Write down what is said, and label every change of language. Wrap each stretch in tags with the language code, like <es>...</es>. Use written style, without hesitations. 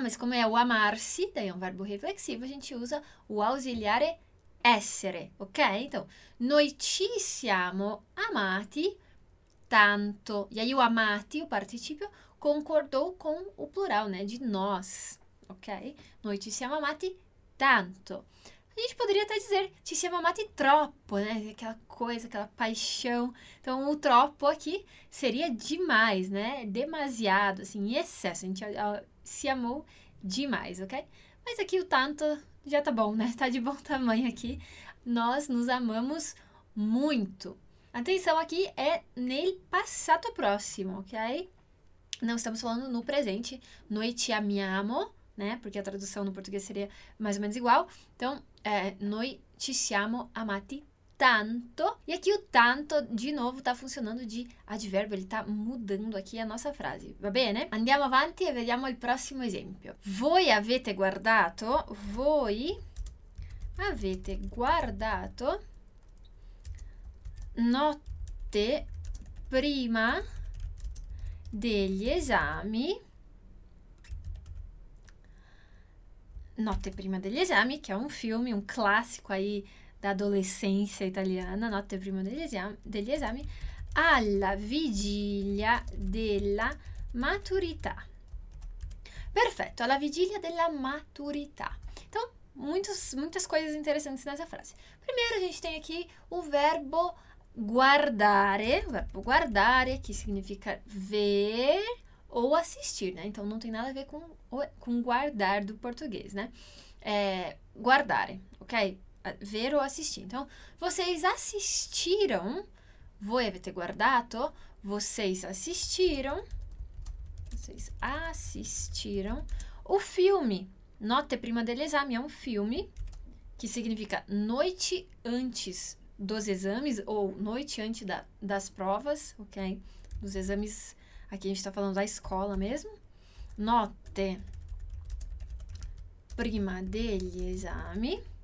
<pt>Mas como é o amarsi, daí é um verbo reflexivo, a gente usa o ausiliare essere, ok? Então,</pt> <it>noi ci siamo amati tanto.</it> <pt>E aí o amati, o participio, concordou com o plural, né? De nós, ok?</pt> <it>Noi ci siamo amati tanto.</it> <pt>A gente poderia até dizer</pt> <it>ci siamo amati troppo,</it> <pt>né? Aquela coisa, aquela paixão. Então, o troppo aqui seria demais, né? Demasiado, assim, em excesso. A gente se amou demais, ok? Mas aqui o tanto já tá bom, né? Tá de bom tamanho aqui. Nós nos amamos muito. Atenção aqui é</pt> <it>nel passato prossimo,</it> <pt>ok? Não estamos falando no presente.</pt> <it>Noi ci amiamo,</it> <pt>né? Porque a tradução no português seria mais ou menos igual. Então, é</pt> <it>noi ci siamo amati tanto.</it> <pt>E aqui o tanto, de novo, tá funcionando de advérbio. Ele tá mudando aqui a nossa frase,</pt> <it>va bene? Andiamo avanti e vediamo il prossimo esempio. Voi avete guardato, voi avete guardato notte prima degli esami. Notte prima degli esami, che è un film, un classico aí adolescenza italiana, notte prima degli esami, alla vigilia della maturità. Perfetto, alla vigilia della maturità.</it> <pt>Então, muitas coisas interessantes nessa frase. Primeiro, a gente tem aqui o verbo guardare. O verbo guardare, que significa ver ou assistir, né? Então, não tem nada a ver com guardar do português, né? É, guardare, ok? Ver ou assistir. Então, vocês assistiram?</pt> <it>Voi avete guardato?</it> <pt>Vocês assistiram? Vocês assistiram o filme? Notte prima dell'esame é um filme que significa noite antes dos exames ou noite antes das provas, ok? Dos exames. Aqui a gente está falando da escola mesmo.</pt> <it>Notte prima degli esami.</it>